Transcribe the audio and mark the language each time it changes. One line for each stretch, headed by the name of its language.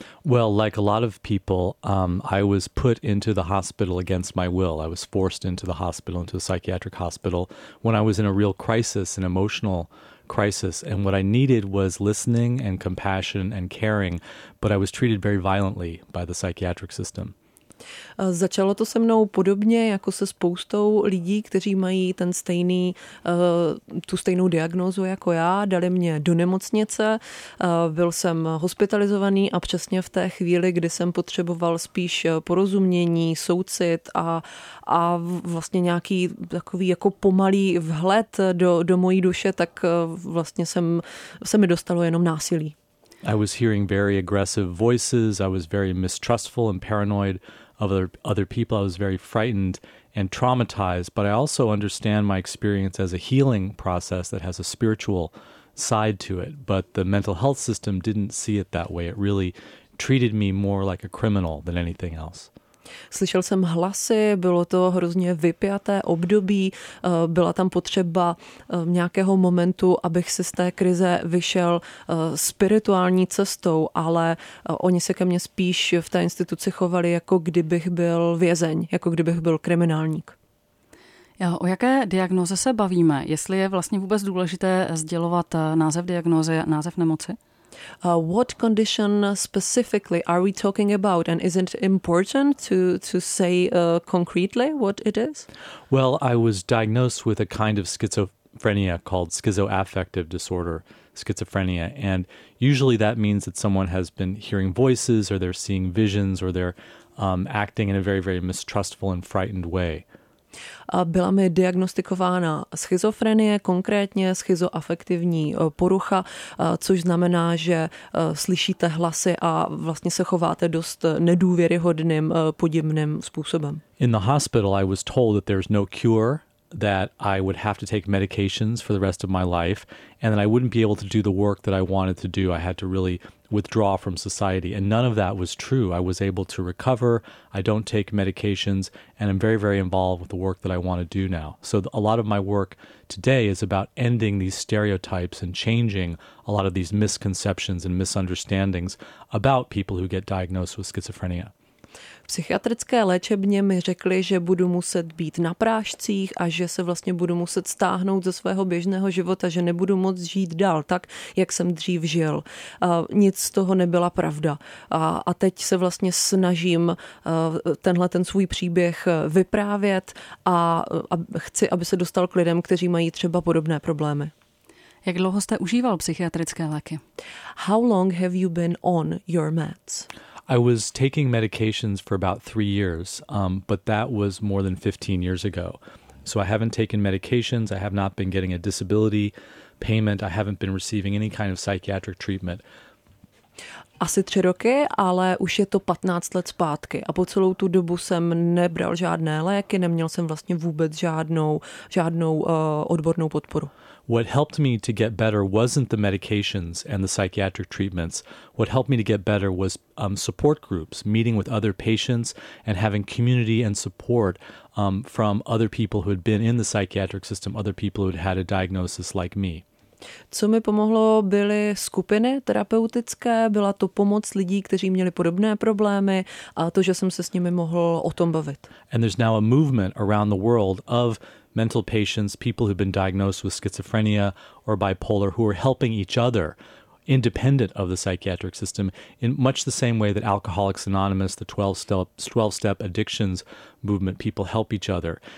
English: Well, like a lot of people, I was put into the hospital against my will. I was forced into the hospital, into a psychiatric hospital, when I was in a real crisis, an emotional crisis. And what I needed was listening and compassion and caring, but I was treated very violently by the psychiatric system.
Czech: Začalo to se mnou podobně jako se spoustou lidí, kteří mají ten stejný, tu stejnou diagnózu jako já. Dali mě do nemocnice, byl jsem hospitalizovaný a přesně v té chvíli, kdy jsem potřeboval spíš porozumění, soucit a vlastně nějaký takový jako pomalý vhled do mojí duše, tak vlastně se mi dostalo jenom násilí.
English: I was hearing very aggressive voices, I was very mistrustful and paranoid of other people, I was very frightened and traumatized, but I also understand my experience as a healing process that has a spiritual side to it, but the mental health system didn't see it that way, it really treated me more like a criminal than anything else.
Czech: Slyšel jsem hlasy, bylo to hrozně vypjaté období, byla tam potřeba nějakého momentu, abych si z té krize vyšel spirituální cestou, ale oni se ke mně spíš v té instituci chovali, jako kdybych byl vězeň, jako kdybych byl kriminálník. O jaké diagnoze se bavíme? Jestli je vlastně vůbec důležité sdělovat název diagnózy, název nemoci?
English: What condition specifically are we talking about, and is it important to say concretely what it is? Well, I was diagnosed with a kind of schizophrenia called schizoaffective disorder, schizophrenia, and usually that means that someone has been hearing voices or they're seeing visions or they're acting in a very, very mistrustful and frightened way.
Czech: Byla mi diagnostikována schizofrenie, konkrétně schizoafektivní porucha, což znamená, že slyšíte hlasy a vlastně se chováte dost nedůvěryhodným, podivným způsobem.
English: In the hospital I was told that there's no cure, that I would have to take medications for the rest of my life, and that I wouldn't be able to do the work that I wanted to do. I had to really withdraw from society, and none of that was true. I was able to recover, I don't take medications, and I'm very, very involved with the work that I want to do now. So a lot of my work today is about ending these stereotypes and changing a lot of these misconceptions and misunderstandings about people who get diagnosed with schizophrenia.
Czech: V psychiatrické léčebně mi řekli, že budu muset být na prášcích a že se vlastně budu muset stáhnout ze svého běžného života, že nebudu moct žít dál tak, jak jsem dřív žil. Nic z toho nebyla pravda. A teď se vlastně snažím tenhle ten svůj příběh vyprávět a chci, aby se dostal k lidem, kteří mají třeba podobné problémy. Jak dlouho jste užíval psychiatrické léky?
English: How long have you been on your meds? I was taking medications for about 3 years, but that was more than 15 years ago. So I haven't taken medications, I have not been getting a disability payment, I haven't been receiving any kind of psychiatric treatment.
Czech: Asi 3 roky, ale už je to 15 let zpátky. A po celou tu dobu jsem nebral žádné léky, neměl jsem vlastně vůbec žádnou odbornou podporu.
English: What helped me to get better wasn't the medications and the psychiatric treatments. What helped me to get better was support groups, meeting with other patients and having community and support from other people who had been in the psychiatric system, other people who had had a diagnosis like me.
Czech: Co mi pomohlo, byly skupiny terapeutické, byla to pomoc lidí, kteří měli podobné problémy a to, že jsem se s nimi mohl o tom bavit.
English: And there's now a movement around the world of mental patients, people who've been diagnosed with schizophrenia or bipolar, who are helping each other independent of the psychiatric system in much the same way that Alcoholics Anonymous, the 12-step addictions movement, people help each other.